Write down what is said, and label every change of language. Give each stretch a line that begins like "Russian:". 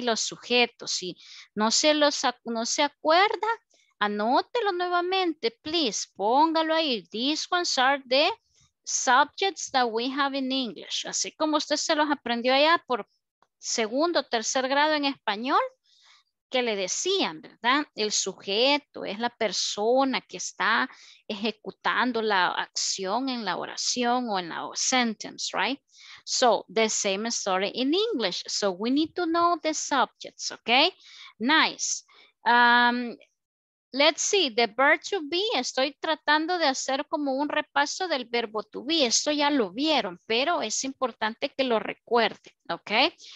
Spanish: Los sujetos, si no se los no se acuerda, anótelo nuevamente, please. Póngalo ahí.
English: These ones are the subjects that we have in English.
Spanish: Así como usted se los aprendió allá por segundo o tercer grado en español, que le decían, ¿verdad? El sujeto es la persona que está ejecutando la acción en la oración o en la sentence, right?
English: So, the same story in English. So, we need to know the subjects, okay? Nice. Let's see, the verb to be,
Spanish: estoy tratando de hacer como un repaso del verbo to be, esto ya lo vieron, pero es importante que lo recuerden, okay?